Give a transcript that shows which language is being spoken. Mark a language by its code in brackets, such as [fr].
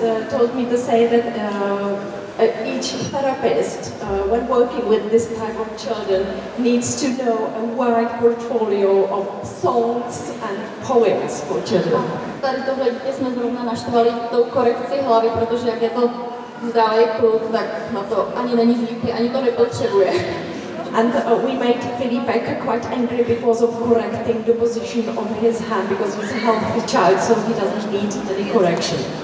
[en] Told me to say that each therapist, when working with this type of children, needs to know a wide portfolio of songs and poems for children. [cs] Tady tohle dítě jsme zrovna naštvali tou korekcí hlavy, protože jak je to zdravý kluk, tak na to ani není zvyklý, ani to nepotřebuje. [en] And we made Felipe quite angry because of correcting the position of his hand, because he's a healthy child, so he doesn't need any correction.